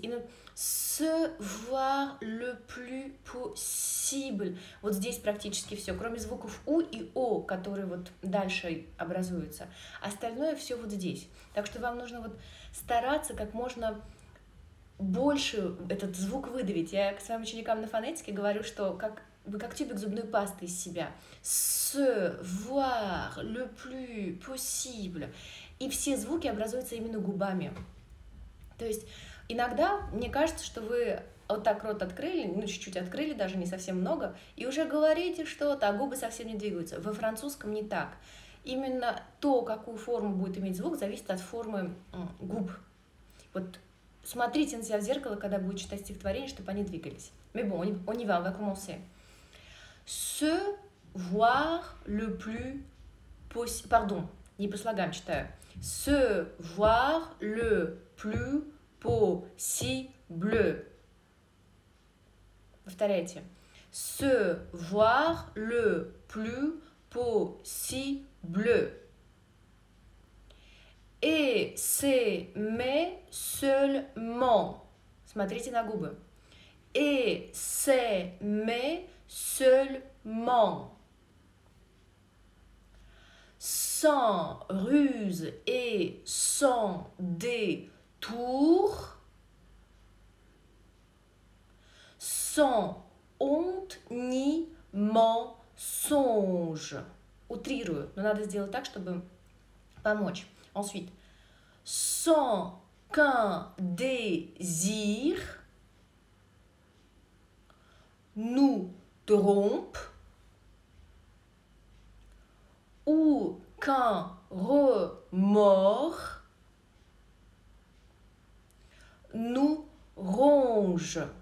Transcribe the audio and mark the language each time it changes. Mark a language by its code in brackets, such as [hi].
[fr] И «Se voir le plus possible». [ru] Вот здесь практически все, кроме звуков «у» и «о», которые вот дальше образуются. Остальное все вот здесь. Так что вам нужно вот стараться как можно больше этот звук выдавить. Я к своим ученикам на фонетике говорю, что как, вы как тюбик зубной пасты из себя. [fr] «Se voir le plus possible». [ru] И все звуки образуются именно губами. То есть иногда мне кажется, что вы вот так рот открыли, ну, чуть-чуть открыли, даже не совсем много, и уже говорите что-то, а губы совсем не двигаются. Во французском не так. Именно то, какую форму будет иметь звук, зависит от формы губ. Вот смотрите на себя в зеркало, когда будете читать стихотворение, чтобы они двигались. [fr] Mais bon, on y va, on va commencer. Se voir le plus possible... Pardon, [ru] не по слогам читаю. [fr] Se voir le plus possible. [ru] Повторяйте. [fr] Se voir le plus possible. Et c'est mais seulement. [ru] Смотрите на губы. [fr] Et c'est mais seulement. Sans ruse et sans détour. Sans honte ni mensonge. [ru] Утрирую, но надо сделать так, чтобы помочь. [fr] Ensuite. Sans qu'un désir nous trompe ou qu'un remords nous ronge.